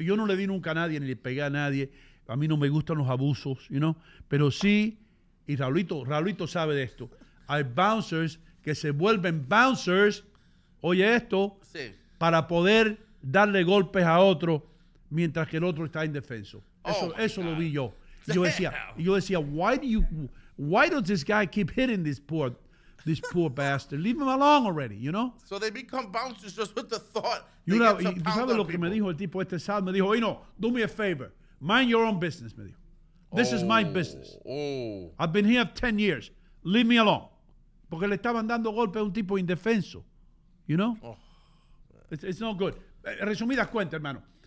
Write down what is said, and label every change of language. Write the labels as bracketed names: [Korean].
[Spanish] Yo no le di nunca a nadie, ni le pegué a nadie. A mí no me gustan los abusos, [English] you know? [Spanish] Pero sí, y Raulito sabe de esto. Hay bouncers que se vuelven bouncers, oye esto, sí, para poder darle golpes a otro mientras que el otro está indefenso. Eso, oh, eso lo vi yo. Yo decía, [English] why does this guy keep hitting this poor bastard? Leave him alone already, you know? So they become bouncers just with the thought. [Spanish] ¿Sabes lo que me dijo el tipo este sábado? Me dijo, oye, no, [English] do me a favor. Mind your own business, [Spanish] me dijo. [English] This is my business. Oh. I've been here 10 years. Leave me alone. [Spanish] Porque le estaban dando golpe a un tipo indefenso. [English] You know? Oh. It's not good. [Spanish] Resumidas cuentas, hermano.